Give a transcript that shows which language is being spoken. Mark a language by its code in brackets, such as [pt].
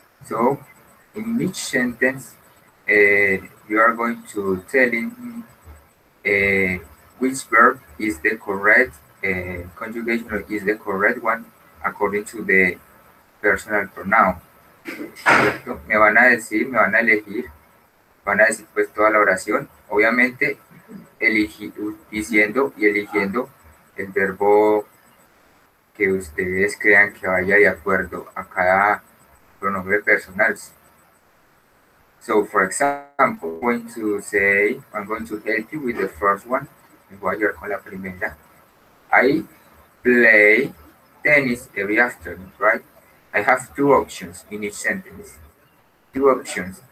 [en] So in each sentence you are going to tell him which verb is the correct conjugation, or is the correct one according to the personal pronoun. [es] Me van a decir, me van a elegir, van a decir pues toda la oración, obviamente diciendo y eligiendo el verbo que ustedes crean que vaya de acuerdo a cada pronombre personal. [en] So for example, I'm going to help you with the first one. [es] Me voy a ayudar con la primera. [en] I play tennis every afternoon, right? I have two options in each sentence. Two options.